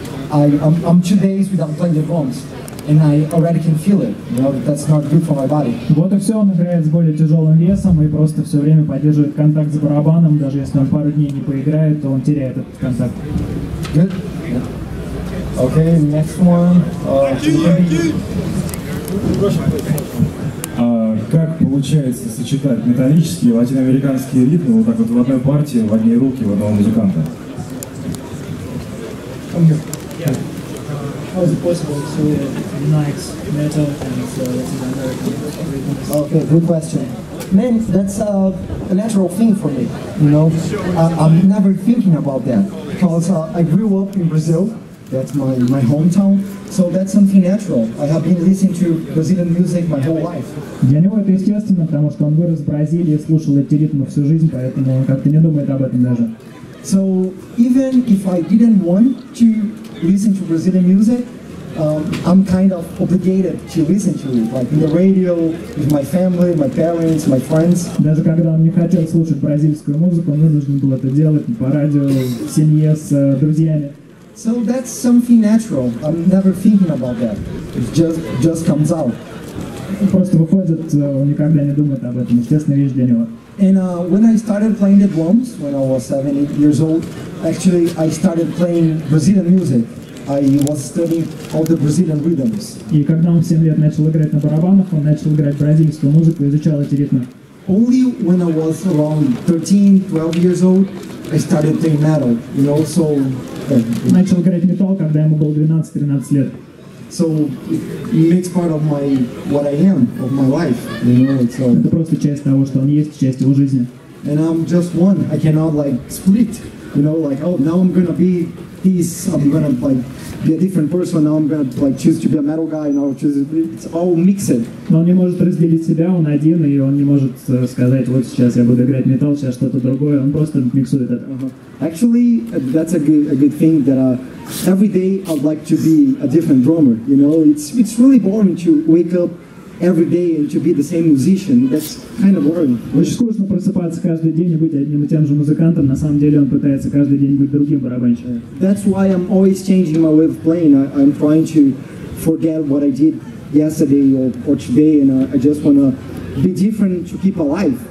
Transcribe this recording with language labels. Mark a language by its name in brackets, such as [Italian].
[English] I'm 2 days without playing the drums. And I already can feel it. You know, that's not good for my body. [Russian] Вот и все, он играет с более тяжелым весом и просто все время поддерживает контакт с барабаном. Даже если он пару дней не поиграет, то он теряет этот контакт. [English] Good? Yeah. Okay, next one. [Russian] Как получается сочетать металлические латиноамериканские ритмы вот так вот в одной партии, в одни руки, в одного музыканта? [English] Come here. Yeah. How is it possible to unite metal and Latin American rhythms? Okay, good question. Man, that's a natural thing for me, you know? I'm never thinking about that, because I grew up in Brazil, that's my hometown, so that's something natural. I have been listening to Brazilian music my whole life. [Russian] Для него это естественно, потому что он вырос в Бразилии, слушал эти ритмы всю жизнь, поэтому он как-то не думает об этом даже. [English] So even if I didn't want to listen to Brazilian music, I'm kind of obligated to listen to it, like in the radio, with my family, my parents, my friends. [Russian] Даже когда он не хотел слушать бразильскую музыку, он вынужден был это делать по радио, в семье, с друзьями. [English] So that's something natural. I'm never thinking about that. It just comes out. [Russian] Просто выходит, он никогда не думает об этом. Естественная вещь для него. [English] And when I started playing the drums, when I was 7, 8 years old, actually I started playing Brazilian music. I was studying all the Brazilian rhythms. [Russian] И когда он 7 лет начал играть на барабанах, он начал играть бразильскую музыку и изучал эти ритмы. [English] Only when I was around 13-12 years old, I started playing metal. You know, so [Russian] начал играть метал, когда ему было 12-13 лет. [English] So it makes part of my what I am, of my life. You know, so [Russian] это просто часть того, что он есть, часть его жизни. [English] And I'm just one. I cannot like split. You know, like oh, now I'm gonna be this. I'm gonna like be a different person. Now I'm gonna like choose to be a metal guy. Now choose to be, it's all mixed. [Russian] Но он не может разделить себя. Он один, и он не может сказать, вот сейчас я буду играть метал, сейчас что-то другое. Он просто миксует это. [English] Actually, that's a good thing that every day I'd like to be a different drummer. You know, it's really boring to wake up every day and to be the same musician. That's kind of boring. [Russian] Очень скучно просыпаться каждый день и быть одним и тем же музыкантом. На самом деле он пытается каждый день быть другим барабанщиком. [English] That's why I'm always changing my way of playing. I'm trying to forget what I did yesterday or today, and I just wanna be different to keep alive.